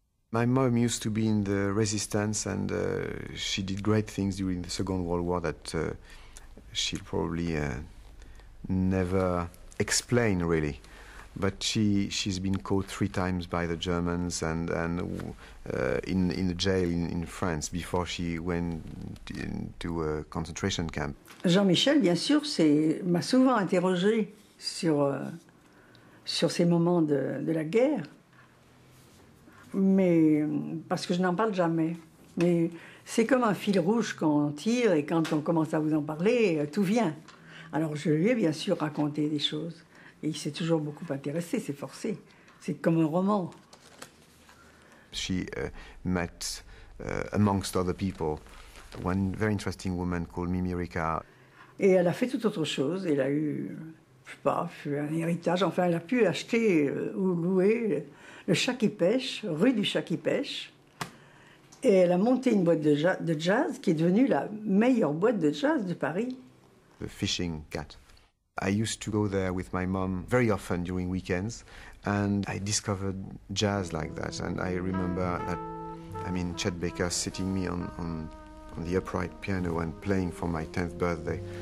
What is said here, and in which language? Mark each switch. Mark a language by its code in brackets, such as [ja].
[en] My mom used to be in the resistance, and she did great things during the Second World War that she'll probably never explain really. But she's been caught three times by the Germans and in the jail in France before she went into a concentration camp. [fr] Jean Michel, bien sûr, m'a souvent interrogé sur ces moments de la guerre, mais parce que je n'en parle jamais. Mais c'est comme un fil rouge quand on tire, et quand on commence à vous en parler, tout vient. Alors je lui ai bien sûr raconté des choses. Et il s'est toujours beaucoup intéressé, c'est forcé. C'est comme un roman. [en] She met amongst other people one very interesting woman called Mimi Ricard. [fr] Et elle a fait tout autre chose. Elle a eu, je sais pas, un héritage. Enfin, elle a pu acheter ou louer le chat qui pêche, rue du chat qui pêche. Et elle a monté une boîte de jazz qui est devenue la meilleure boîte de jazz de Paris. [en] The Fishing Cat. I used to go there with my mom very often during weekends, and I discovered jazz like that. And I remember that, I mean, Chet Baker sitting me on the upright piano and playing for my 10th birthday.